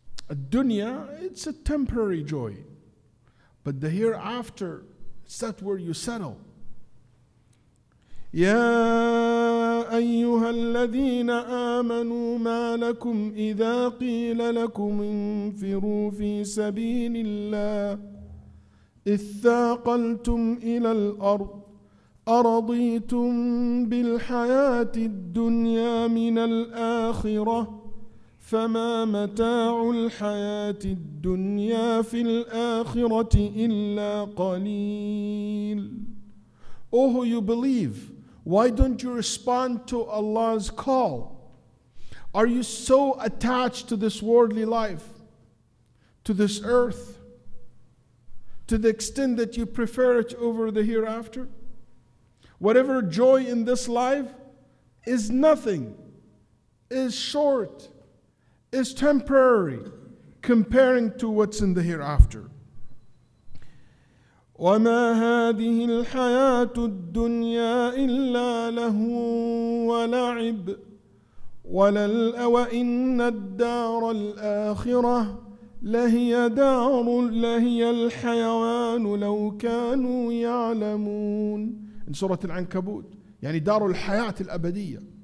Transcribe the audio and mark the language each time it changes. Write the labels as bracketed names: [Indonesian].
[English] الدنيا it's a temporary joy, but the hereafter is that where you settle. [Arabic] يا أيها الذين آمنوا ما لكم إذا قيل لكم انفروا في سبيل الله اثاقلتم إلى الأرض أرضيتم بالحياة الدنيا من الآخرة فما متاع الحياة الدنيا في الآخرة إلا قليل. [English] Oh, you believe. Why don't you respond to Allah's call? Are you so attached to this worldly life, to this earth, to the extent that you prefer it over the hereafter? Whatever joy in this life is nothing, is short, is temporary, comparing to what's in the hereafter. [Arabic] وَمَا هَذِهِ الْحَيَاةُ الدُّنْيَا إِلَّا لَهُ وَلَعِبٌ وَإِنَّ الدَّارَ الْآخِرَةَ لَهِيَ دَارُ لَهِيَ الْحَيَوَانُ لَوْ كَانُوا يَعْلَمُونَ. [English] In Surah Al-Ankabut, [Arabic] يعني دار الحياة الأبدية.